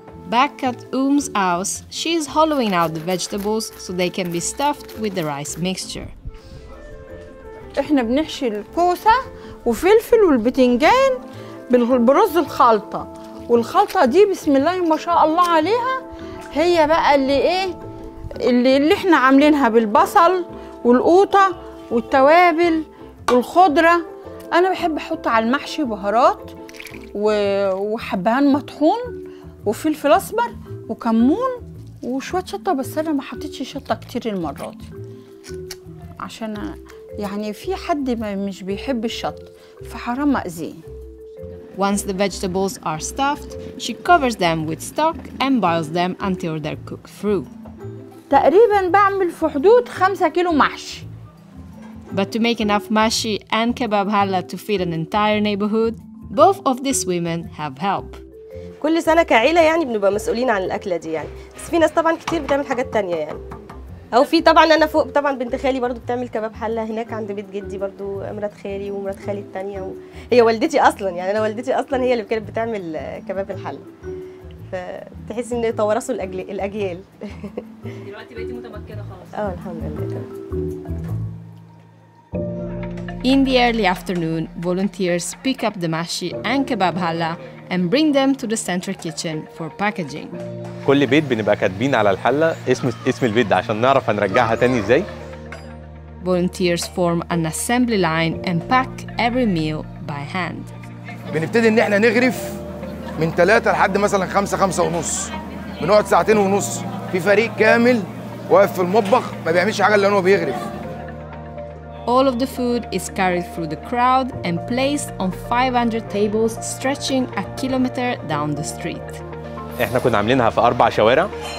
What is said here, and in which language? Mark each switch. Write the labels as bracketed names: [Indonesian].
[English] Back at Oom's house, she is hollowing out the vegetables so they can be stuffed with the rice mixture. [Arabic] احنا بنحشي الكوسة وفلفل والبتنجان بالرز الخلطة، والخلطة دي بسم الله ما شاء الله عليها، هي بقى اللي ايه اللي احنا عاملينها بالبصل والقوطة والتوابل والخضرة. انا بحب احط على المحشي بهارات وحبهان مطحون وفلفل اسمر وكمون وشوية شطة، بس انا ما حطيتش شطة كتير المرة دي عشان يعني في حد ما مش بيحب الشط فحرام أذيه. [English] Once the vegetables are stuffed, she covers them with stock and boils them until they're cooked through. [Arabic] تقريبا بعمل في حدود 5 كيلو محشي. [English] But to make enough mashi and kebab challah to feed an entire neighborhood, both of these women have help. [Arabic] كل سنة كعيلة يعني بنبقى مسؤولين عن الأكلة دي يعني، بس في ناس طبعا كتير بتعمل حاجات تانية يعني. او في طبعا انا فوق طبعا بنت خالي برضو بتعمل كباب حلة هناك عند بيت جدي، برضو مرات خالي ومرات خالي التانية، هي والدتي اصلا يعني، انا والدتي اصلا هي اللي كانت بتعمل كباب الحلة، فتحس ان توارثوا الاجيال دلوقتي بقيتي متمكنه خلاص. اه الحمد لله. [English] In the early afternoon, volunteers pick up the mashi and kebab challah and bring them to the central kitchen for packaging. [Arabic] كل بيت بنبقى كاتبين على الحلة اسم البيت ده عشان نعرف هنرجعها تاني ازاي. [English] Volunteers form an assembly line and pack every meal by hand. [Arabic] بنبتدي ان احنا نغرف من 3 لحد مثلا 5 5 ونص. بنقعد ساعتين ونص في فريق كامل واقف في المطبخ ما بيعملش حاجة الا هو بيغرف. [English] All of the food is carried through the crowd and placed on 500 tables stretching a kilometer down the street. [Arabic] احنا كنا عاملينها في اربع شوارع.